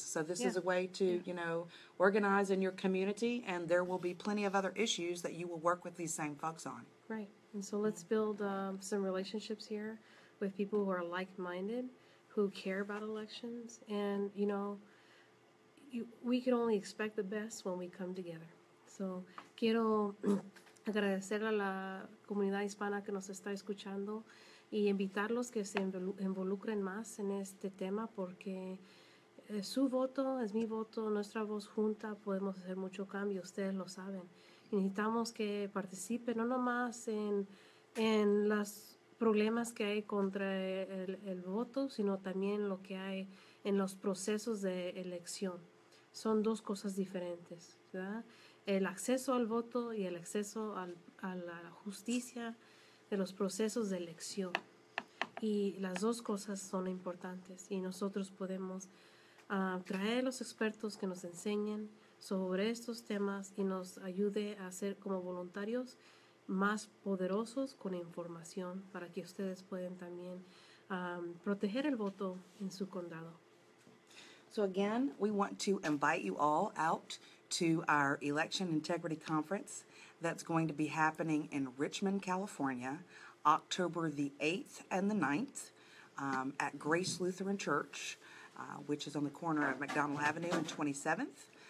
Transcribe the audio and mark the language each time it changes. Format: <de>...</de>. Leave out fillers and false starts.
<en>So this is a way to, you know, organize in your community, and there will be plenty of other issues that you will work with these same folks on. Right. And so let's build some relationships here with people who are like-minded, who care about elections, and, you know, we can only expect the best when we come together.</en> <es>So quiero agradecer a la comunidad hispana que nos está escuchando y invitarlos que se involucren más en este tema porque su voto es mi voto, nuestra voz junta, podemos hacer mucho cambio, ustedes lo saben. Y necesitamos que participen no nomás en las problemas que hay contra el voto, sino también lo que hay en los procesos de elección. Son dos cosas diferentes, ¿verdad? El acceso al voto y el acceso a la justicia de los procesos de elección. Y las dos cosas son importantes y nosotros podemos traer a los expertos que nos enseñen sobre estos temas y nos ayude a ser como voluntarios más poderosos con información para que ustedes puedan también proteger el voto en su condado.</es> <en>So again, we want to invite you all out to our Election Integrity Conference that's going to be happening in Richmond, California, October the 8th and the 9th at Grace Lutheran Church, which is on the corner of McDonald Avenue and 27th.</en>